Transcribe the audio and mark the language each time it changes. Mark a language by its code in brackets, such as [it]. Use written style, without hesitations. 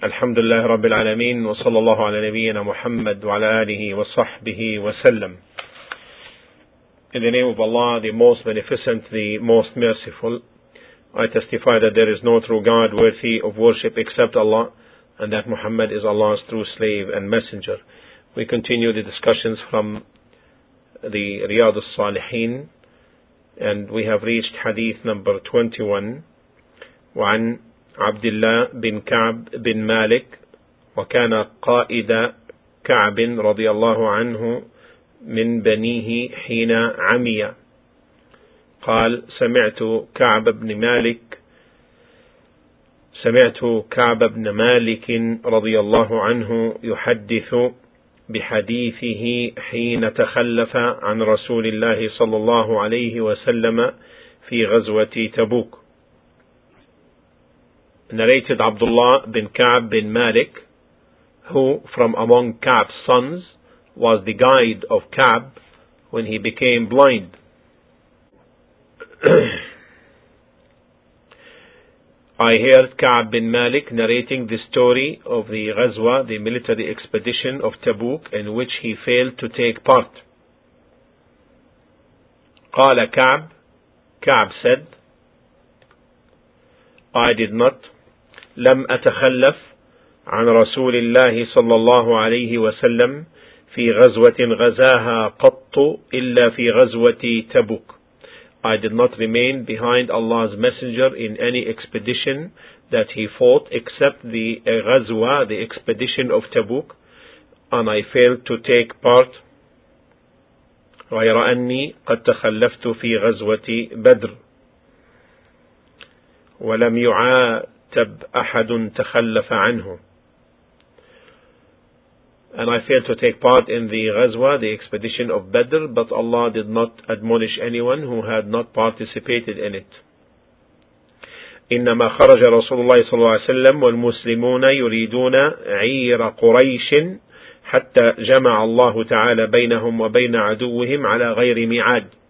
[ar] الحمد لله رب العالمين، وصلى الله على نبينا محمد وعلى آله وصحبه وسلم. [en] In the name of Allah, the most beneficent, the most merciful, I testify that there is no true God worthy of worship except Allah, and that Muhammad is Allah's true slave and messenger. We continue the discussions from the Riyad al-Salihin, and we have reached hadith number 21. [ar] عبد الله بن كعب بن مالك وكان قائد كعب رضي الله عنه من بنيه حين عمي قال سمعت كعب بن مالك رضي الله عنه يحدث بحديثه حين تخلف عن رسول الله صلى الله عليه وسلم في غزوة تبوك. [en] Narrated Abdullah bin Ka'b bin Malik, who from among Ka'b's sons was the guide of Ka'b when he became blind. I heard Ka'b bin Malik narrating the story of the Ghazwa, the military expedition of Tabuk, in which he failed to take part. Qala Ka'b, Ka'b said, I did not [ar] لم أتخلف عن رسول الله صلى الله عليه وسلم في غزوة غزاها قط إلا في غزوة تبوك. [en] I did not remain behind Allah's Messenger in any expedition that he fought except the غزوة, the expedition of Tabuk, and I failed to take part [ar] غير أني قد تخلفت في غزوة بدر ولم يعا تب أحد تخلف عنه. [en] And I failed to take part in the Ghazwa, the expedition of Badr, but Allah did not admonish anyone who had not participated in it. [ar] إنما خرج رسول الله صلى الله عليه وسلم والمسلمون يريدون عير قريش حتى جمع الله تعالى بينهم وبين عدوهم على غير ميعاد.